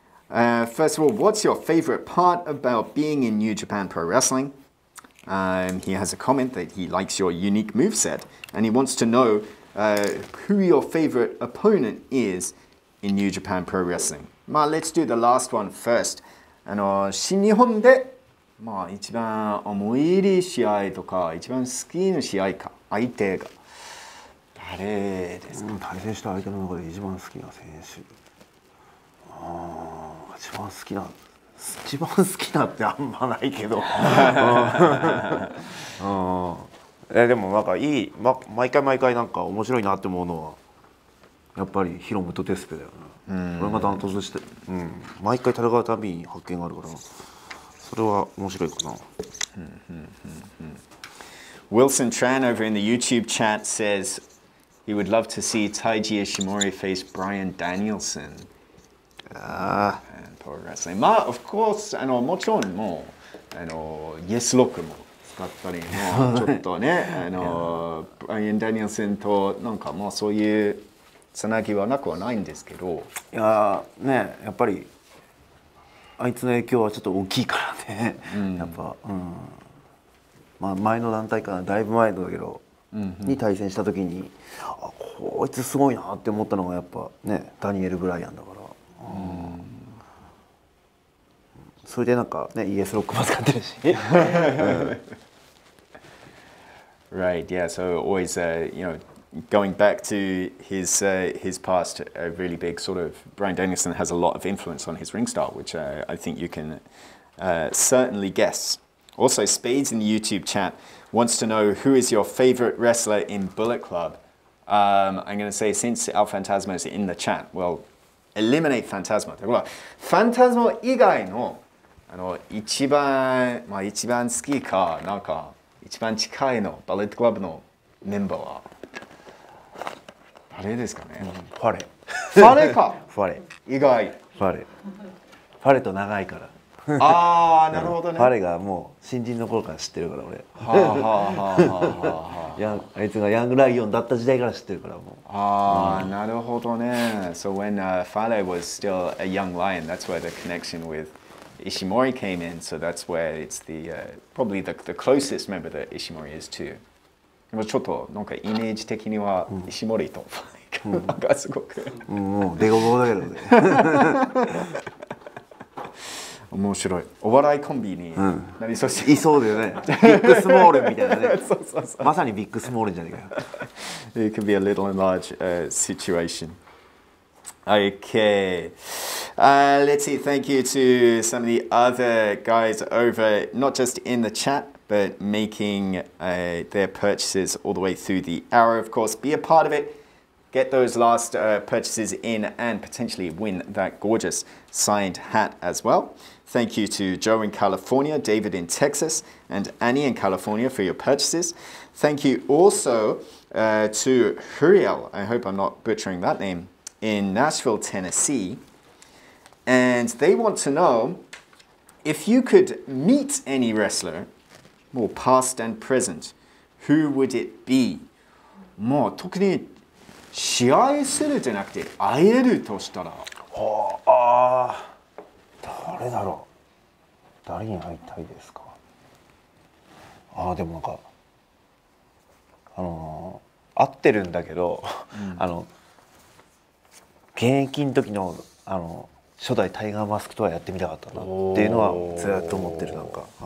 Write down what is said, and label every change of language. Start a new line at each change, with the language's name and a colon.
English: First of all, what's your favorite part about being in New Japan Pro Wrestling? He has a comment that he likes your unique moveset, and he wants to know who your favorite opponent is in New Japan Pro Wrestling. まあ、let's do the last one first.
Japanese: 新日本で、まあ、一番思い入り試合とか、一番好きな試合か、相手が。誰ですか？対戦した相手の中で一番好きな選手。あ、一番好きな。一番好きなってあんまないけど、うん、でもなんかいい、ま、毎回毎回なんか面白いなって思うのはやっぱりヒロムとデスペだよな、ね、これがダントツして、うん、毎回戦うたびに発見があるからそれは面白いかな。
English: Wilson Tran over in the YouTube chat says he would love to see Taiji Ishimori face Brian Danielson.
Japanese: Wrestling. まあ、
English: of course、
Japanese: もちろんもう、Yes Lock も使ったり、もうちょっとね、ブライアン・ダニエルセンとなんかもうそういうつなぎはなくはないんですけど。いやね、やっぱり、あいつの影響はちょっと大きいからね、うん、やっぱ、うん、まあ、前の団体からだいぶ前だけど、に対戦した時に、うんうん、あこいつすごいなって思ったのがやっぱねダニエル・ブライアンだから、うんうん、それでなんかねイエスロックも使ってるし、うん、
English: Right, yeah, so always, you know, going back to his past, a really big sort of, Brian Danielson has a lot of influence on his ring style, which I think you can certainly guess. Also, Spades in the YouTube chat wants to know who is your favorite wrestler in Bullet Club. I'm going to say since El Fantasma is in the chat, well, eliminate Fantasma.
Japanese: Fantasma 以外の、あの、一番、まあ、一番好きか、なんか、一番近いのバレットクラブのメンバーは誰ですかね、うん、ファレファレかファレ意外ファレファレと長いからああなるほどねファレがもう新人の頃から知ってるから俺あいつがヤングライオンだった時代から知ってるからもうああ、うん、なるほどね
English: So when Fale was still a young lion that's where the connection withIshimori came in, so that's where it's the probably the closest member that Ishimori is to.
Japanese: ちょっとなんかイメージ的には Ishimori と、うん、なんかすごく、うん、もうデコボコだけどね。面白い。お笑いコンビになりそうし、うん、いそうだよね。ビッグスモールみたいなね。そうそうそうまさにビッグスモールじゃねえかよ。
English: It could be a little and large situation. Okay, let's see. Thank you to some of the other guys over, not just in the chat, but making their purchases all the way through the hour. Of course, be a part of it. Get those last purchases in and potentially win that gorgeous signed hat as well. Thank you to Joe in California, David in Texas, and Annie in California for your purchases. Thank you also to Huriel. I hope I'm not butchering that name. In Nashville, Tennessee, and they want to know if you could meet any wrestler, more past and present, who would it be?
Japanese: もう特に試合するじゃなくて会えるとしたら、はあ、誰だろう。誰に会いたいですか。ああでもなんか会ってるんだけど、現役の時 の, あの初代タイガーマスクとはやってみたかったなっていうのはずっと思ってるなんか、